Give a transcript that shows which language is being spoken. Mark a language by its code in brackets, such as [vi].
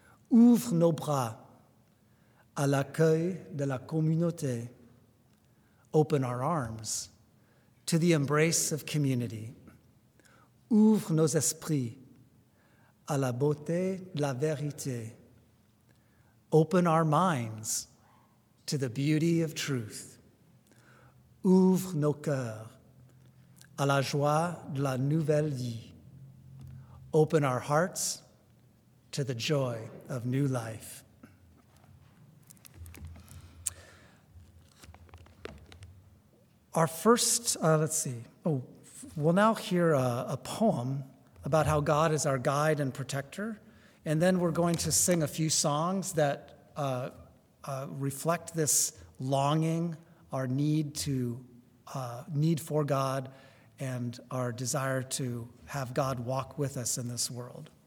[fr] Ouvre nos bras à l'accueil de la communauté. [en] Open our arms to the embrace of community. [fr] Ouvre nos esprits à la beauté de la vérité. [en] Open our minds to the beauty of truth. [fr] Ouvre nos cœurs à la joie de la nouvelle vie. [en] Open our hearts to the joy of new life. Our first, we'll now hear a poem about how God is our guide and protector, and then we're going to sing a few songs that reflect this longing, our need for God, and our desire to have God walk with us in this world.